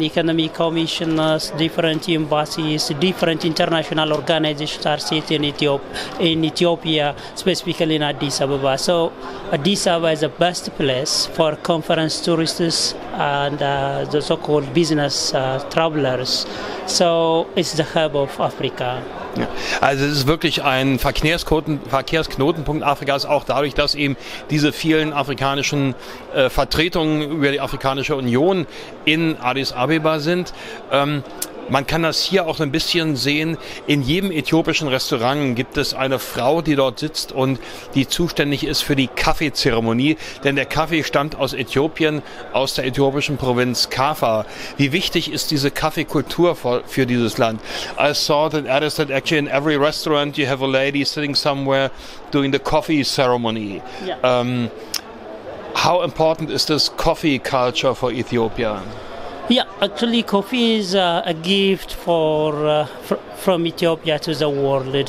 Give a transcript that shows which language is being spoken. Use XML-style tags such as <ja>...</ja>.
<en>Economic Commissioners, different embassies, different international organizations are sitting in Ethiopia, specifically in Addis Ababa. So Addis Ababa is the best place for conference tourists and the so-called business travelers. So it's the hub of Africa.</en> <de>Ja. Also es ist wirklich ein Verkehrsknotenpunkt Afrikas, auch dadurch, dass eben diese vielen afrikanischen Vertretungen über die Afrikanische Union in Addis Abeba sind. Man kann das hier auch ein bisschen sehen. In jedem äthiopischen Restaurant gibt es eine Frau, die dort sitzt und die zuständig ist für die Kaffeezeremonie, denn der Kaffee stammt aus Äthiopien, aus der äthiopischen Provinz Kaffa. Wie wichtig ist diese Kaffeekultur für dieses Land?</de> <en>I saw that Addis that actually in every restaurant you have a lady sitting somewhere doing the coffee ceremony. Yeah. How important is this coffee culture for Ethiopia? Yeah, actually coffee is a gift from Ethiopia to the world.</en>